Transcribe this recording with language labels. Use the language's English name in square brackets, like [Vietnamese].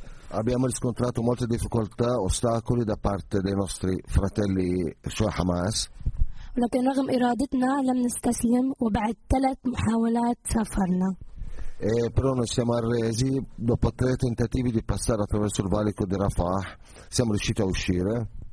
[Italian] Abbiamo riscontrato molte difficoltà, ostacoli da parte dei nostri fratelli, cioè Hamas. [Arabic] ولكن رغم إرادتنا لم نستسلم وبعد 3 محاولات سافرنا. [Italian] però noi siamo arresi. Dopo tre tentativi di passare attraverso il valico di Rafah, siamo riusciti a uscire.